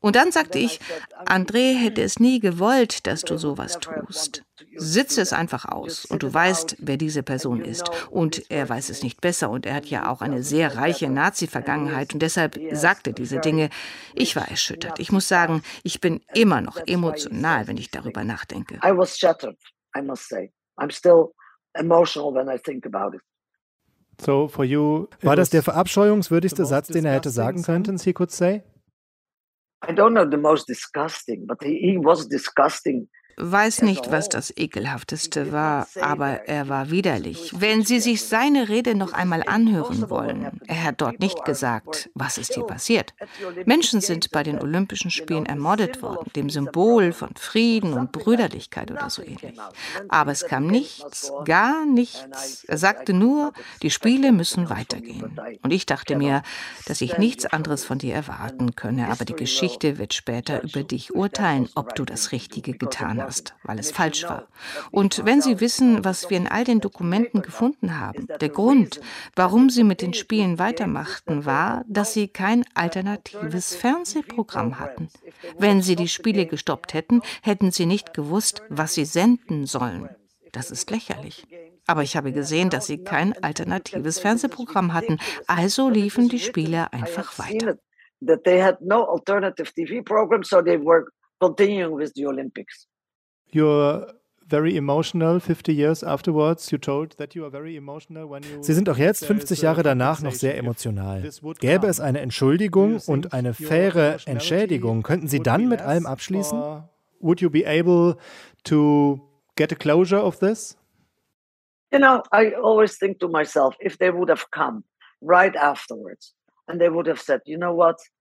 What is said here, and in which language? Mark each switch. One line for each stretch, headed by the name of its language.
German: Und dann sagte ich, André hätte es nie gewollt, dass du sowas tust. Sitze es einfach aus und du weißt, wer diese Person ist. Und er weiß es nicht besser und er hat ja auch eine sehr reiche Nazi-Vergangenheit und deshalb sagt er diese Dinge. Ich war erschüttert. Ich muss sagen, ich bin immer noch emotional, wenn ich darüber nachdenke.
English: I was shattered, I must say. I'm still emotional when I think about it. So for you,
German: war das der verabscheuungswürdigste Satz, den er hätte sagen können,
English: he could say? I don't know the most disgusting, but he was disgusting.
German: Weiß nicht, was das Ekelhafteste war, aber er war widerlich. Wenn Sie sich seine Rede noch einmal anhören wollen, er hat dort nicht gesagt, was ist hier passiert. Menschen sind bei den Olympischen Spielen ermordet worden, dem Symbol von Frieden und Brüderlichkeit oder so ähnlich. Aber es kam nichts, gar nichts. Er sagte nur, die Spiele müssen weitergehen. Und ich dachte mir, dass ich nichts anderes von dir erwarten könne, aber die Geschichte wird später über dich urteilen, ob du das Richtige getan hast, weil es falsch war. Und wenn Sie wissen, was wir in all den Dokumenten gefunden haben, der Grund, warum Sie mit den Spielen weitermachten, war, dass Sie kein alternatives Fernsehprogramm hatten. Wenn Sie die Spiele gestoppt hätten, hätten Sie nicht gewusst, was Sie senden sollen. Das ist lächerlich. Aber ich habe gesehen, dass Sie kein alternatives Fernsehprogramm hatten. Also liefen die Spiele einfach weiter.
English: They had no alternative TV program, so they were continuing with the Olympics. You're very emotional 50 years afterwards. You told that you are very emotional when you.
German: Sie sind auch jetzt 50 Jahre danach noch sehr emotional. Gäbe es eine Entschuldigung und eine faire Entschädigung, könnten Sie dann mit allem abschließen?
English: Would you be able to get a closure of this? You know, I always think to myself, if they would have come right afterwards and they would have said, you know what?